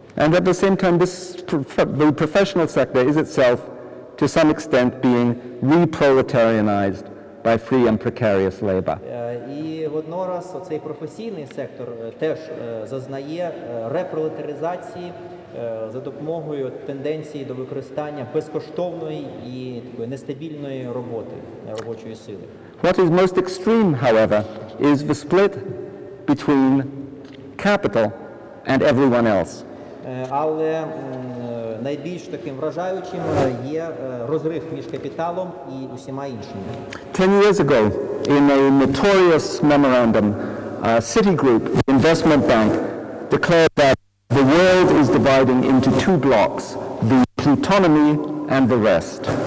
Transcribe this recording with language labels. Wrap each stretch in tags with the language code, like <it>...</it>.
<en>And at the same time, this the professional sector is itself to some extent being re-proletarianized by free and precarious labor.</en> <uk>І воднораз цей професійний сектор теж зазнає репролетаризації за допомогою тенденції до використання безкоштовної і такої нестабільної роботи, робочої сили.</uk> <en>What is most extreme, however, is the split between capital and everyone else.</en> <uk>Але найбільш таким вражаючим є розрив між капіталом і усіма іншими.</uk> <en>10 years ago, in a notorious memorandum, Citigroup Investment Bank declared that the world is dividing into two blocks, the plutonomy and the rest.</en>